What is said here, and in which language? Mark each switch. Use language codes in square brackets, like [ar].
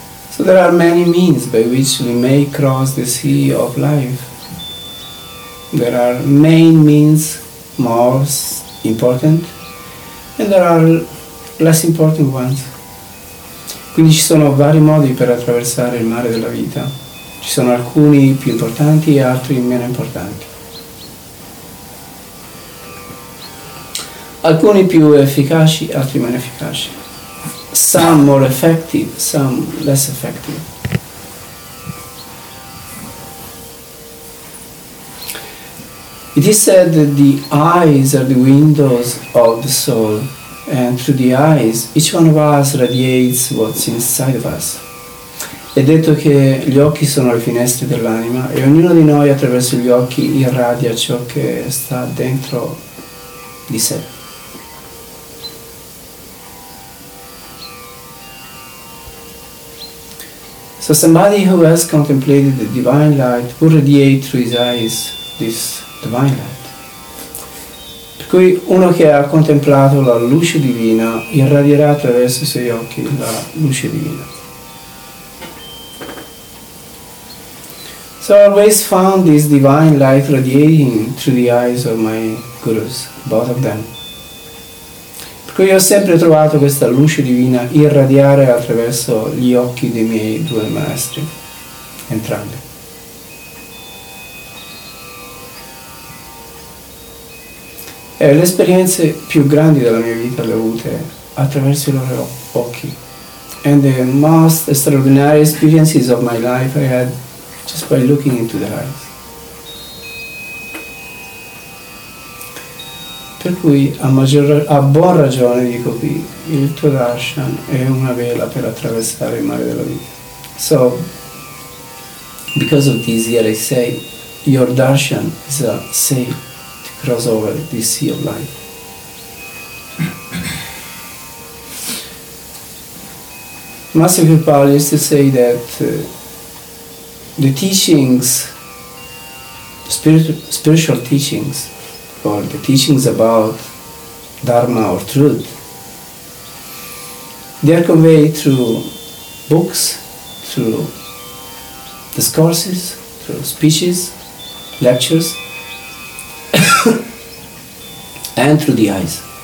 [en] So there are many means by which we may cross the sea of life. There are main means, most important, and there are less important ones. [it] Quindi ci sono vari modi per attraversare il mare della vita. Ci sono alcuni più importanti e altri meno importanti. Alcuni più efficaci, altri meno efficaci. [en] Some more effective, some less effective. It is said that the eyes are the windows of the soul, and through the eyes each one of us radiates what's inside of us. [it] È detto che gli occhi sono le finestre dell'anima e ognuno di noi attraverso gli occhi irradia ciò che sta dentro di sé. [en] So somebody who has contemplated the divine light will radiate through his eyes this divine light. [it] Per cui uno che ha contemplato la luce divina irradierà attraverso i suoi occhi la luce divina. [en] So I always found this divine light radiating through the eyes of my gurus, both of them. [it] Qui ho sempre trovato questa luce divina irradiare attraverso gli occhi dei miei due maestri, entrambi. E le esperienze più grandi della mia vita le ho avute attraverso i loro occhi. [en] And the most extraordinary experiences of my life I had just by looking into their eyes. [it] Per cui a buon ragione dico qui, il tuo darshan è una vela per attraversare il mare della vita. [en] So, because of this here I say, your darshan is a sail to cross over the sea of life. Master Kripal used to say that the teachings, spiritual teachings, or the teachings about Dharma or truth, they are conveyed through books, through discourses, through speeches, lectures, and through the eyes.